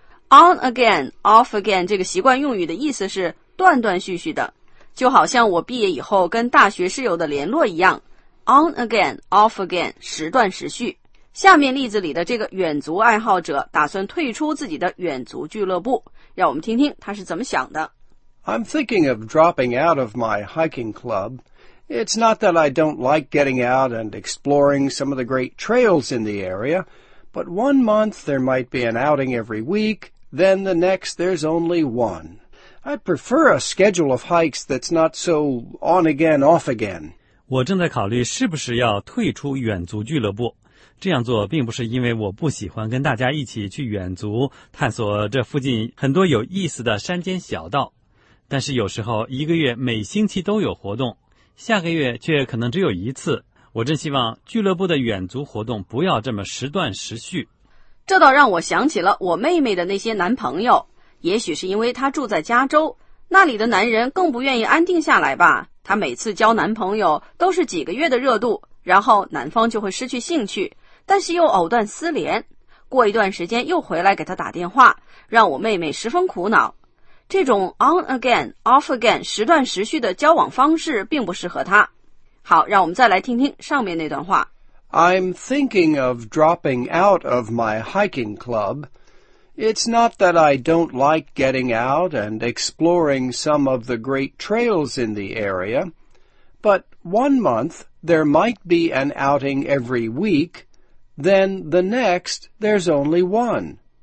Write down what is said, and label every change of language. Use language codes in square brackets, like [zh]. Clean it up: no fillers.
[en] On again, off again [zh] 这个习惯用语的意思是断断续续的，就好像我毕业以后跟大学室友的联络一样。 [en] On again, off again, [zh] 时断时续。下面例子里的这个远足爱好者打算退出自己的远足俱乐部，让我们听听他是怎么想的。 [en] I'm thinking of dropping out of my hiking club. It's not that I don't like getting out and exploring some of the great trails in the area,But 1 month there might be an outing every week, then the next there's only one. I prefer a schedule of hikes that's not so on again, off again. [zh] 我正在考虑是不是要退出远足俱乐部。这样做并不是因为我不喜欢跟大家一起去远足，探索这附近很多有意思的山间小道。但是有时候一个月每星期都有活动，下个月却可能只有一次。我真希望俱乐部的远足活动不要这么时断时续。这倒让我想起了我妹妹的那些男朋友，也许是因为她住在加州，那里的男人更不愿意安定下来吧。她每次交男朋友都是几个月的热度，然后男方就会失去兴趣，但是又藕断丝连，过一段时间又回来给她打电话，让我妹妹十分苦恼。这种 [en] on again, off again, [zh] 时断时续的交往方式并不适合她。好，让我们再来听听上面那段话。 [en] I'm thinking of dropping out of my hiking club. It's not that I don't like getting out and exploring some of the great trails in the area, but 1 month there might be an outing every week, then the next there's only one.